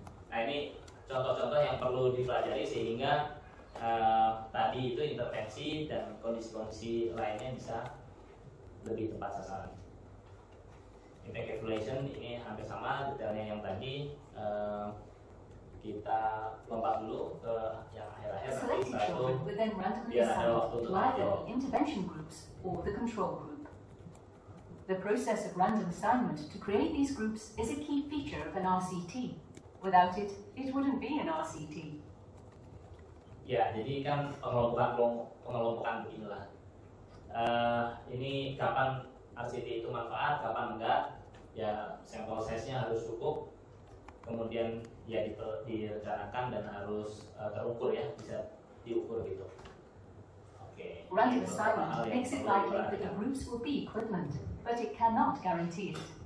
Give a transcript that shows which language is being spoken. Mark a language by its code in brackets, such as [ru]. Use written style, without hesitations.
[id] Nah, ini contoh-contoh yang perlu dipelajari sehingga tadi itu intervensi dan kondisi-kondisi lainnya bisa lebih tepat sasaran. Impact evaluation ini hampir sama detailnya yang tadi. Kita lompat dulu ke yang akhir-akhir nanti setelah itu biar ada waktu untuk [en] the intervention groups or the control group. The process of random assignment to create these groups is a key feature of an RCT. Without it, it wouldn't be an RCT. [id] Ya, jadi kan pengelompokan beginilah. Ini kapan RCT itu manfaat, kapan enggak? Ya, sampel size-nya harus cukup. Kemudian ya direncanakan dan harus terukur ya, bisa diukur gitu. Oke. [en] Okay. Random assignment makes it likely that the groups will be equivalent, but it cannot guarantee it.